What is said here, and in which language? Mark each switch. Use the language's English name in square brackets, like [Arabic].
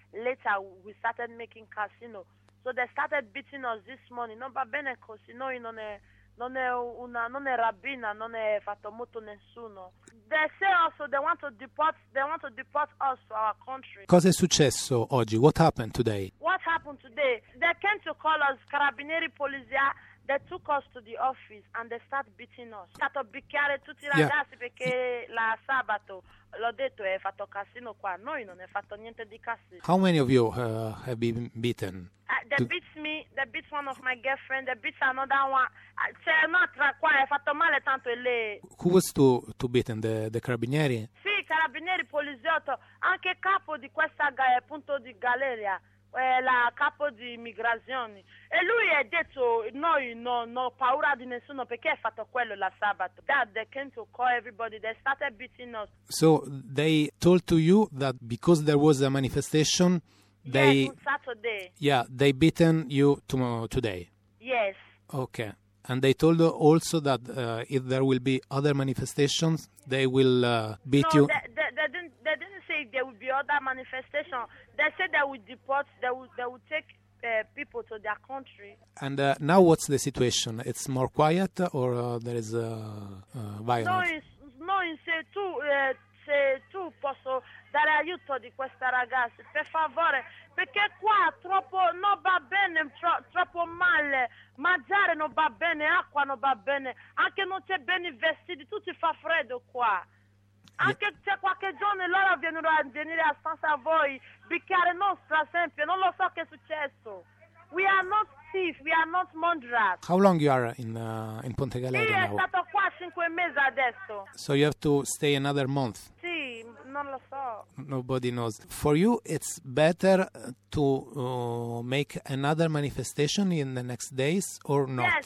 [English] Later we started making casino. So they started beating us this morning. No, but Benekos, you know, They want to deport us to our country. [Italian] Cosa è successo oggi? [English] What happened today? What happened today? They came to call us Carabinieri Polizia. They took us to the office and they start beating us. [Italian] Stato picchiare tutti i ragazzi perché la sabato l'ho detto è fatto casino qua. Noi non è fatto niente di casino. [English] How many of you have been beaten? They beat me. They beat one of my girlfriend. They beat another one. [Italian] C'è un'altra qua. È fatto male tanto lei. [English] Who was to beaten? The carabinieri? [Italian] Sì, carabinieri, poliziotto. Anche capo di questa punto di galleria. La capo di immigrazione e lui ha detto noi non ho paura di nessuno perché ha fatto quello la sabato. [English] Dad, they came to call everybody, they started beating us. So they told to you that because there was a manifestation, they on Saturday. Yeah, they beaten you tomorrow, today. Yes. Okay. And they told also that if there will be other manifestations, they will beat you. They didn't say there will be other manifestation. They said they will deport, they will take people to their country. And now what's the situation? It's more quiet or there is violence? [Italian] No, se tu posso dare aiuto di questa ragazza, per favore, perché qua troppo non va bene, troppo male, mangiare non va bene, acqua non va bene, anche non c'è bene vestiti, tutto fa freddo qua. Anche c'è qualche giorno loro vengono a venire a stanza a voi, bicchiare nostra sempre, non lo so che è successo. [English] We are not thieves, we are not murderers. How long you are in Ponte Galeria [Italian] now? Sì, è stato qua 5 mesi adesso. [English] So you have to stay another month? [Italian] Sì, non lo so. [English] Nobody knows. For you it's better to make another manifestation in the next days or not?